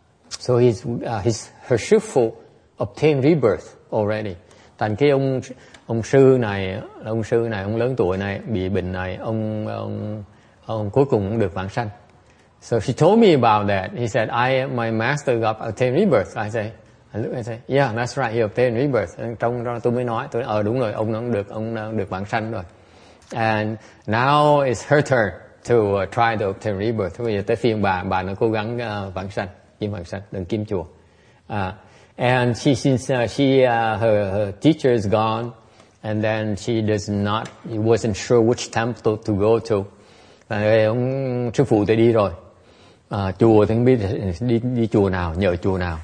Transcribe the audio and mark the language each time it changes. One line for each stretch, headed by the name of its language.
English: So her shifu obtained rebirth already.
Vietnamese: Thành cái ông sư này ông lớn tuổi này bị bệnh này ông cuối cùng cũng được vãng sanh.
English: So she told me about that. He said, my master got obtained rebirth. I say, yeah, that's right, he obtained rebirth.
Vietnamese: And trong đó tôi mới nói, tôi nói, đúng rồi, ông được vãng sanh rồi.
English: And now it's her turn to try to obtain rebirth.
Vietnamese: Bây giờ tới phiên bà nó cố gắng vãng sanh, đừng kim chùa.
English: And she since her teacher is gone, and then she does not, he wasn't sure which temple to go to.
Vietnamese: Ông sư phụ tôi đi rồi. Chùa thì không biết đi chùa nào, nhờ chùa nào.